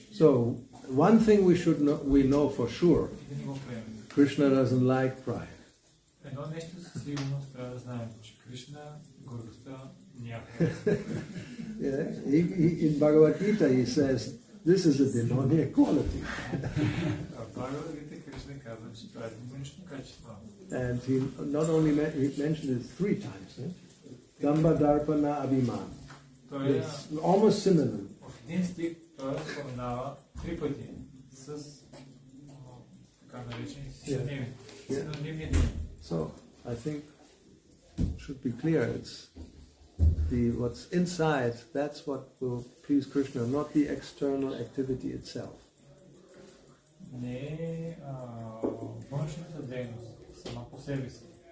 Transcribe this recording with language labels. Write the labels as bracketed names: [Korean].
[English] So, one thing we know for sure, Krishna doesn't like pride. [Bulgarian] Едно нещо със сигурност трябва да знаем, че Кришна гордостта няма. [English] Yeah, in Bhagavad Gita he says this is a demonic quality. [Bulgarian] Bhagavad Gita Krishna казва, че това е демонично качество. [English] And he not only mentioned it three times, eh? [Sanskrit] Dhamma, Darpana, Abhiman. [English] Yes, almost synonym. [Bulgarian] От един стих той споменава три пъти с така наречени синоними. [English] So, I think it should be clear, it's the what's inside, that's what will please Krishna, not the external activity itself. [Bulgarian] Не външната дейност сама по себе си.